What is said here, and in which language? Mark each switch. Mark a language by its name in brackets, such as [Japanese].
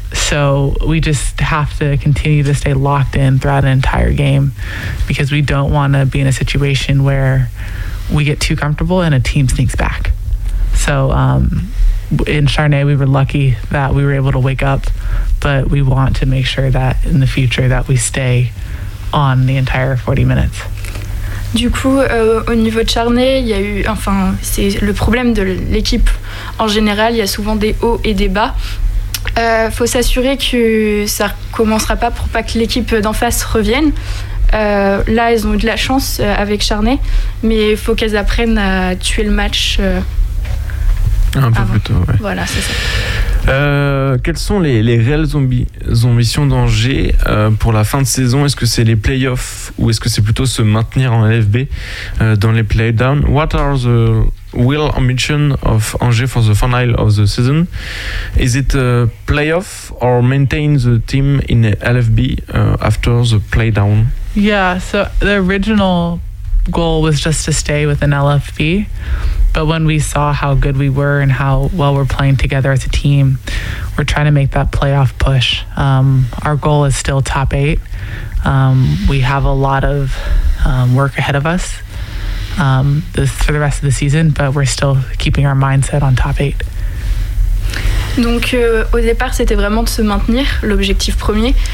[English] So we just have to continue to stay locked in throughout an entire game, because we don't want to be in a situation where we get too comfortable and a team sneaks back. So in Charnay, we were lucky that we were able to wake up, but we want to make sure that in the future that we stay on the entire 40 minutes. [French] Du coup, au niveau de Charnay, il y a eu, enfin, c'est le problème de l'équipe en général, il y a souvent des hauts et des bas. Faut s'assurer que ça commencera pas pour pas que l'équipe d'en face revienne. Là, elles ont eu de la chance avec Charnay, mais il faut qu'elles apprennent à tuer le match. Un peu plus tôt, ouais. Voilà, c'est ça. Quelles sont les réelles ambitions d'Angers pour la fin de saison? Est-ce que c'est les playoffs ou est-ce que c'est plutôt se maintenir en LFB dans les playdowns? [English] What are the real ambition of Angers for the final of the season? Is it a playoff or maintain the team in the LFB after the playdown? Yeah, so the original goal was just to stay with an LFB. But when we saw how good we were and how well we're playing together as a team, we're trying to make that playoff push. Our goal is still top eight. We have a lot of work ahead of us for the rest of the season, but we're still keeping our mindset on top eight. [French] Donc au départ, c'était vraiment de se maintenir, l'objectif premier.